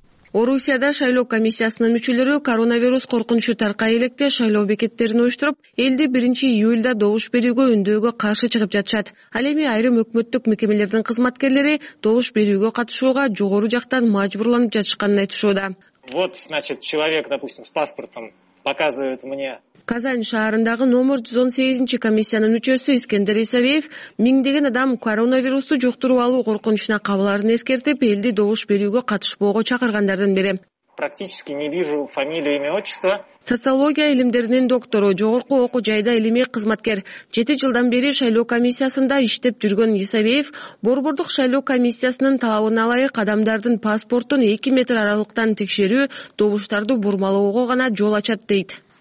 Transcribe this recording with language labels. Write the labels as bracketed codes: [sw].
[ky] Орусияда шайлоо комиссиясынын мүчөлөрү коронавирус коркунучу таркай электе шайлоо бекеттерин уюштуруп, элди 1-июлда добуш берүүгө үндөөгө каршы чыгып жатышат. Ал эми айрым өкмөттүк мекемелердин кызматкерлери добуш берүүгө катышууга жогору жактан мажбурланып жатышканын айтышууда. [ru] Вот, значит, человек, допустим, с паспортом показывает мне. [ky] Казань шаарындагы номер 118 комиссиянын мүчөсү Искендер Исабеев миңдеген адам коронавирусту жуктуруп алуу коркунучуна кабыларын эскертип, элди добуш берүүгө катышпоого чакыргандардын бири. [ru] Практически не вижу фамилию, имя, отчество. [ky] Социология илимдеринин доктору, жогорку окуу жайда илимий кызматкер, 7 жылдан бери шайлоо комиссиясында иштеп жүргөн Исабеев борбордук шайлоо комиссиясынын талабына ылайык адамдардын паспортун 2 метр аралыктан текшерүү, добуштарды бурмалоого гана жол ачат дейт.